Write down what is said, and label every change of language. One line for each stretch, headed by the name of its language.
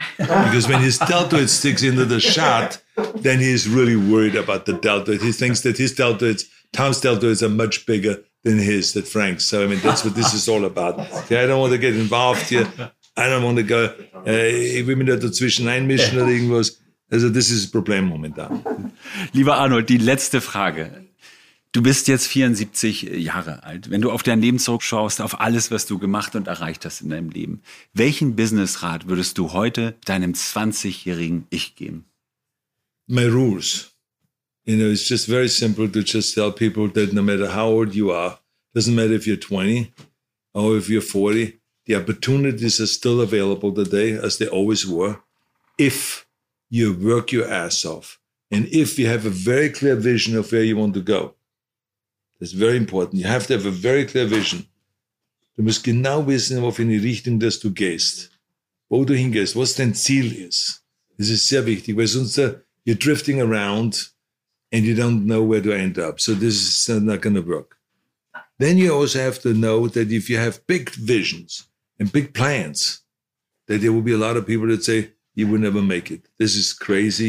English: Because when his deltoid sticks into the shot, then he's really worried about the deltoid. He thinks that his deltoids, Tom's deltoids are much bigger than his, that Frank's. So, I mean, that's what this is all about. Okay, I don't want to get involved here. I don't want to go,
German: wie man da dazwischen einmischen oder irgendwas.
English: Also, this is a problem momentan.
German: Lieber Arnold, die letzte Frage. Du bist jetzt 74 Jahre alt. Wenn du auf dein Leben zurückschaust, auf alles, was du gemacht und erreicht hast in deinem Leben, welchen Business-Rat würdest du heute deinem 20-jährigen Ich geben?
English: My rules. You know, it's just very simple to just tell people that no matter how old you are, doesn't matter if you're 20 or if you're 40, the opportunities are still available today as they always were, if you work your ass off and if you have a very clear vision of where you want to go. It's very important. You have to have a very clear vision.
German: Du musst genau wissen, auf welche Richtung dass du gehst, wo du hingehst, was dein Ziel ist. Das ist sehr wichtig, weil sonst
English: you're drifting around and you don't know where to end up. So this is not going to work. then you also have to know that if you have big visions and big plans, that there will be a lot of people that say, you will never make it. This is crazy.